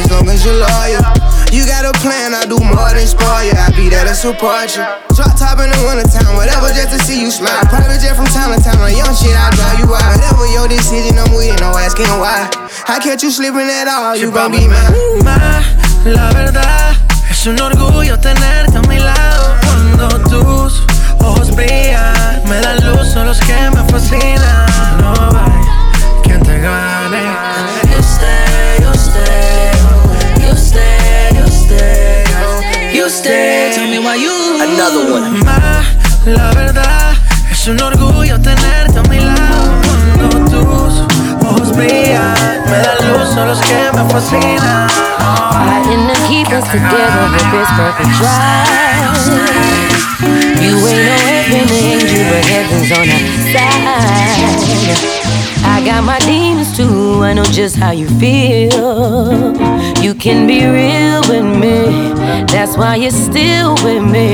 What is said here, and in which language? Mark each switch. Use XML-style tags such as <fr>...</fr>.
<en>As long as you're loyal, you got a plan, I do more than spoil you. I'll be there to support you. Drop top in the wintertime, whatever, just to see you smile. Private jet from town to town, on young shit, I'll drive you out. Whatever your decision, I'm with you, no asking why. I catch you slipping at all, you gon' be mine.</en> <es>Ma, la verdad, es un orgullo tenerte a mi lado. Cuando tus ojos brillan, me dan luz, son los que me fascinan. No va.</es> <en>You stay, you stay, you stay, you stay, you stay, tell me why you. Another one.</en> <es>Ma, la verdad, es un orgullo tenerte a mi lado. Cuando tus ojos brillan, me dan luz, son los que me fascinan.</es> <en>Fighting to keep us together with this perfect drive. You ain't no heaven angel, but heaven's on our side. Got my demons too, I know just how you feel. You can be real with me, that's why you're still with me.</en>